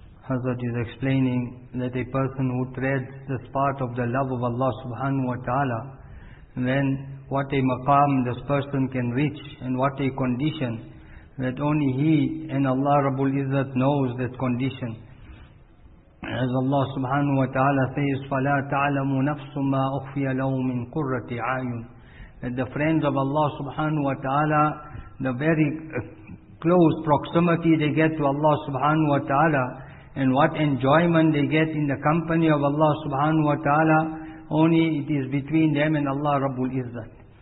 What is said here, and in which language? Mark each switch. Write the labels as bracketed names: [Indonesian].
[English] Hazrat is explaining that a person who treads the spot of the love of Allah subhanahu wa ta'ala, then what a maqam this person can reach and what a condition, that only he and Allah Rabbul Izzat knows that condition. As Allah subhanahu wa ta'ala says, [Arabic] فَلَا تَعْلَمُ نَفْسٌ مَا أُخْفِيَ لَهُ مِنْ قُرَّةِ عَيُّنْ. [English] That the friends of Allah subhanahu wa ta'ala, the very close proximity they get to Allah subhanahu wa ta'ala, and what enjoyment they get in the company of Allah subhanahu wa ta'ala, only it is between them and Allah Rabbul Izzat.